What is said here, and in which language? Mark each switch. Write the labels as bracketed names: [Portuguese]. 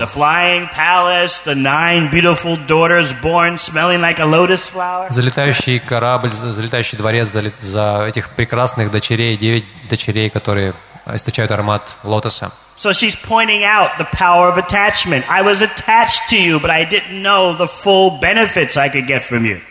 [English] The flying palace, the 9 beautiful daughters born smelling like a lotus flower. [Russian] Залетающий корабль, залетающий дворец за этих прекрасных дочерей, 9 дочерей, которые источают аромат лотоса. [English] So she's pointing out the power of attachment. I was attached to you, but I didn't know the full benefits I could get from you.